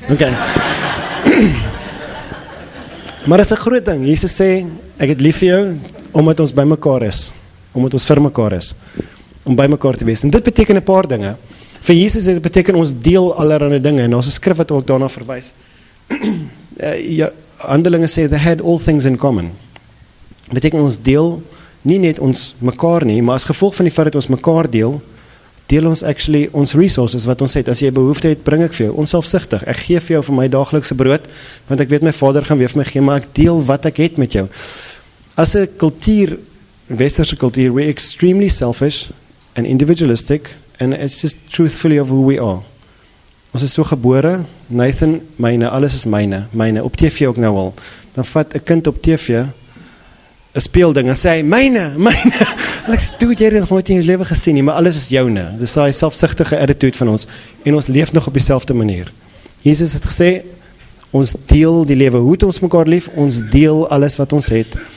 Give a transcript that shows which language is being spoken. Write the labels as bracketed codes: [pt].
[af] Ok. Maar is 'n groot ding. Jesus sê, ek het lief vir jou, omdat ons by mekaar is. Omdat ons vir mekaar is. Om by mekaar te wees. En dit beteken 'n paar dinge. Vir Jesus dit beteken ons deel allerhande dinge. En ons skrif wat ook daarna verwys. Handelinge sê, [en] they had all things in common. [af] Beteken ons deel, nie net ons mekaar nie, maar as gevolg van die feit dat ons mekaar deel, deel ons actually ons resources wat ons het. As jy behoefte het, bring ek vir jou. Onselfsigtig. Ek gee vir jou vir my daaglikse brood, want ek weet my vader gaan weer vir my gee, maar ek deel wat ek het met jou. As 'n kultuur, westerse kultuur, [en] we're extremely selfish and individualistic, and it's just truthfully of who we are. [af] Ons is so gebore, Nathan, myne, alles is myne, myne, op TV ook nou al. Dan vat 'n kind op TV, 'n speelding, en sê, myne, myne, en ek sê, doe het jy dit nog nooit in jou leven gesien nie, maar alles is joune. Dis die selfsugtige attitude van ons, en ons leef nog op dieselfde manier. Jesus het gesê, ons deel die lewe, hoe het ons mekaar lief, ons deel alles wat ons het.